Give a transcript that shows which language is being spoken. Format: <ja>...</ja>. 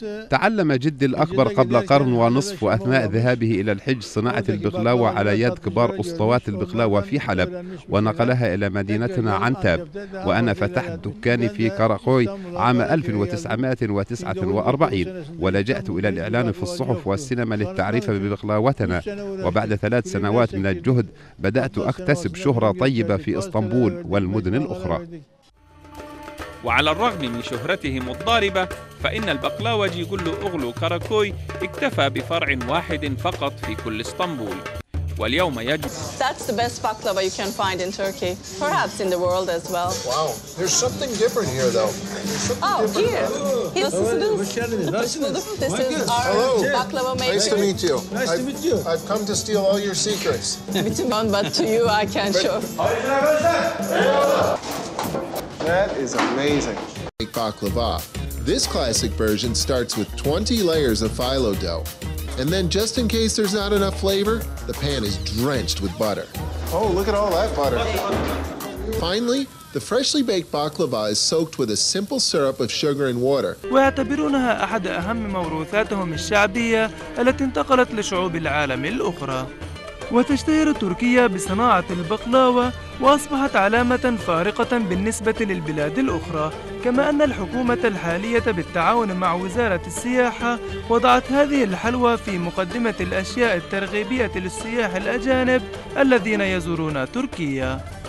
<ar>تعلم جدي الأكبر قبل قرن ونصف أثناء ذهابه إلى الحج صناعة البقلاوة على يد كبار أسطوات البقلاوة في حلب ونقلها إلى مدينتنا عنتاب وأنا فتحت دكاني في كاراكوي عام 1949 ولجأت إلى الإعلان في الصحف والسينما للتعريف ببقلاوتنا وبعد 3 سنوات من الجهد بدأت أكتسب شهرة طيبة في إسطنبول والمدن الأخرى وعلى الرغم من شهرتهم الضاربة فإن البقلاوجي قلو أغلو كاراكوي اكتفى بفرع واحد فقط في كل اسطنبول واليوم يجب</ar> <en>That's the best baklava you can find in Turkey. Perhaps in the world as well. Wow, there's something different here though. Oh, here. This is our baklava maker. Nice to meet you. Nice to meet you. I've come to steal all your secrets. Maybe to mine, but to you I can show. That is amazing. Baklava. This classic version starts with 20 layers of phyllo dough. And then just in case there's not enough flavor, the pan is drenched with butter. Oh, look at all that butter. Finally, the freshly baked baklava is soaked with a simple syrup of sugar and water.</en> <ar>ويعتبرونها أحد أهم موروثاتهم الشعبية التي انتقلت لشعوب العالم الأخرى. وتشتهر تركيا بصناعة البقلاوة وأصبحت علامة فارقة بالنسبة للبلاد الأخرى كما أن الحكومة الحالية بالتعاون مع وزارة السياحة وضعت هذه الحلوى في مقدمة الأشياء الترغيبية للسياح الأجانب الذين يزورون تركيا</ar>